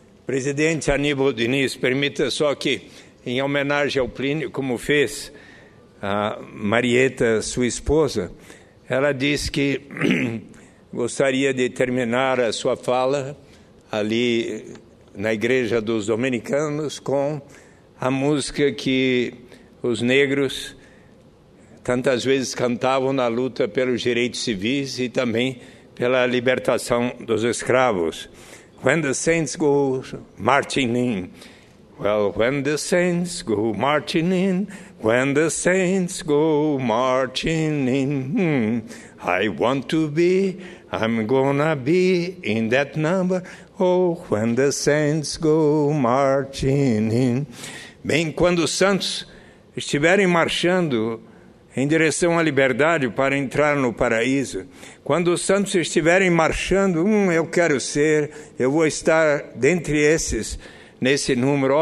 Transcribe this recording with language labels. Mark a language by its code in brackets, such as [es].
[pt] Presidente Aníbal Diniz, permita só que, em homenagem ao Plínio, como fez a Marieta, sua esposa, ela disse que gostaria de terminar a sua fala ali na Igreja dos Dominicanos com a música que os negros tantas vezes cantavam na luta pelos direitos civis e também pela libertação dos escravos. [en] When the saints go marching in, well, when the saints go marching in, when the saints go marching in, I want to be, I'm gonna be in that number. Oh, when the saints go marching in. [pt] Bem, quando os santos estiverem marchando em direção à liberdade para entrar no paraíso, quando os santos estiverem marchando, eu quero ser, eu vou estar dentre esses, nesse número.